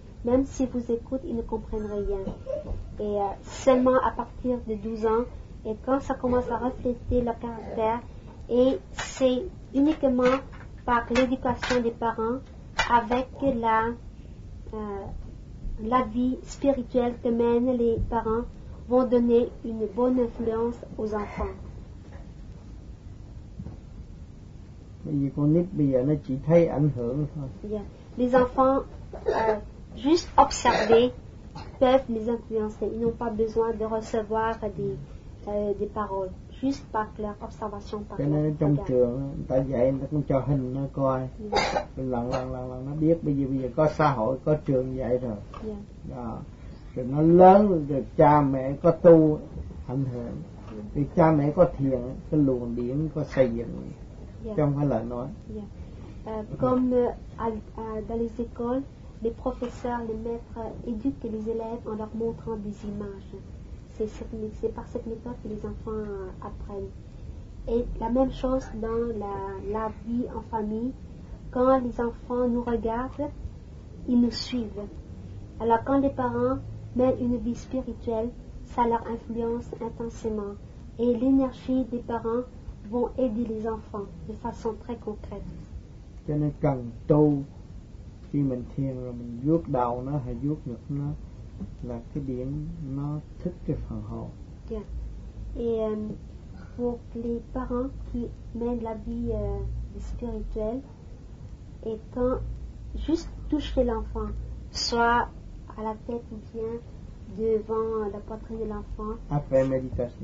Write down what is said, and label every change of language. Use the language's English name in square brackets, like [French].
[French] Même si vous écoutez, ils ne comprennent rien. Et seulement à partir de 12 ans, et quand ça commence à refléter leur caractère, et c'est uniquement par l'éducation des parents avec la... La vie spirituelle que mènent les parents vont donner une bonne influence aux enfants. [Vietnamese] Bây giờ con nít bây giờ nó chỉ thấy ảnh hưởng thôi. Yeah. [French] Les enfants juste observer peuvent les influencer. Ils n'ont pas besoin de recevoir des paroles. Juste par leur observation. [Vietnamese] Cho nên trong trường, người ta dạy, người ta cũng cho hình nó coi. Yeah. Lần nó biết. Bây giờ có xã hội, có trường dạy rồi. Yeah. Đó. Rồi nó lớn, rồi cha mẹ có tu ảnh hưởng. Thì cha mẹ có thiền, cái luồng điển có xây dựng. Trong cái lời nói. [French] Comme dans les écoles, les professeurs, les maîtres éduquent les élèves en leur montrant des images. C'est par cette méthode que les enfants apprennent. Et la même chose dans la vie en famille. Quand les enfants nous regardent, ils nous suivent. Alors quand les parents mènent une vie spirituelle, ça leur influence intensément. Et l'énergie des parents vont aider les enfants de façon très concrète. [Vietnamese] Cho nên cần tu, khi mình thiền rồi mình vuốt đầu nó hay vuốt ngực nó là cái điểm nó thích cái phần hồn. Yeah. [French] Et pour les parents qui mènent la vie spirituelle, et quand juste toucher l'enfant, soit à la tête ou bien devant la poitrine de l'enfant, après méditation.